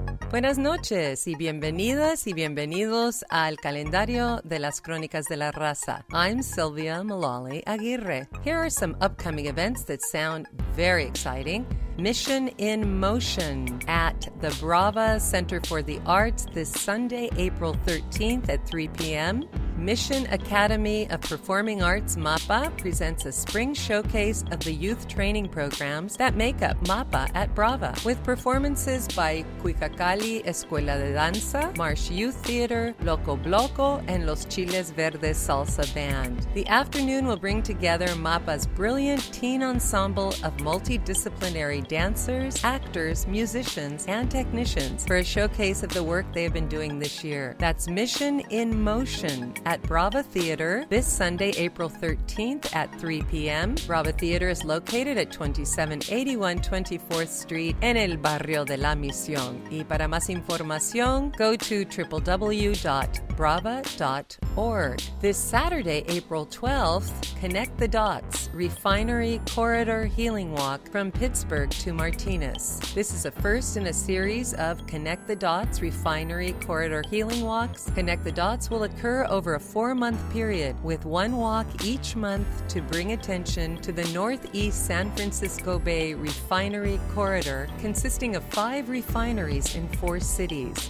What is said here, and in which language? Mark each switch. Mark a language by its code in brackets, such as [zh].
[es] Buenas noches y bienvenidas y bienvenidos al calendario de las Crónicas de la Raza. [en] I'm Sylvia Mullally Aguirre. Here are some upcoming events that sound very exciting. Mission in Motion at the Brava Center for the Arts this Sunday, April 13th at 3 p.m. Mission Academy of Performing Arts MAPA presents a spring showcase of the youth training programs that make up MAPA at Brava, with performances by Cuicacali Escuela de Danza, Marsh Youth Theater, Loco Bloco, and Los Chiles Verdes Salsa Band. The afternoon will bring together MAPA's brilliant teen ensemble of multidisciplinary dancers, actors, musicians, and technicians for a showcase of the work they have been doing this year. That's Mission in Motion at Brava Theater this Sunday, April 13th at 3 p.m. Brava Theater is located at 2781 24th Street [es] en el Barrio de la Misión. Y para más información, [en] go to www.brava.org. This Saturday, April 12th, Connect the Dots, Refinery Corridor Healing Walk from Pittsburgh to Martinez. This is a first in a series of Connect the Dots Refinery Corridor Healing Walks. Connect the Dots will occur over a a 4-month period with one walk each month to bring attention to the Northeast San Francisco Bay Refinery Corridor, consisting of 5 refineries in 4 cities.